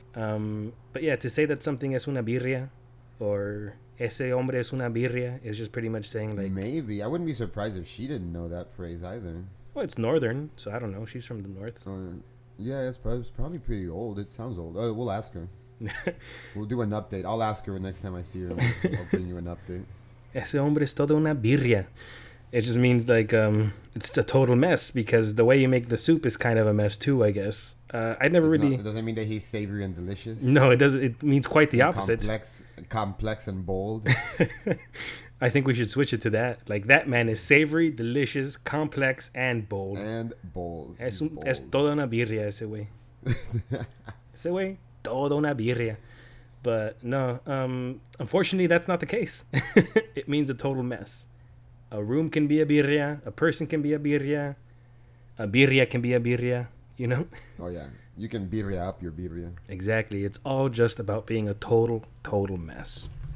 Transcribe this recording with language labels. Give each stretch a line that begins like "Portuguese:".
English: But yeah, to say that something
Spanish: es una birria
English: or
Spanish: ese hombre es una birria
English: is just pretty much saying like... Maybe. I wouldn't be surprised if she didn't know that phrase either. Well, it's northern, so I don't know. She's from the north. Yeah, it's probably pretty old. It sounds old. We'll ask her. We'll do an update. I'll ask her the next time I see her. I'll bring you an update.
Spanish: Ese hombre es toda una birria.
English: It just means like it's a total mess because the way you make the soup is kind of a mess too, I guess. Doesn't mean that he's savory and delicious? No, it doesn't. It means quite the opposite. Complex and bold. I think we should switch it to that. Like, that man is savory, delicious, complex, and bold. And bold.
Spanish: Es toda una birria ese güey. Ese güey, toda una birria.
English: But no, unfortunately, that's not the case. It means a total mess. A room can be a birria. A person can be a birria. A birria can be a birria, you know? Oh, yeah. You can birria up your birria. Exactly. It's all just about being a total, total mess.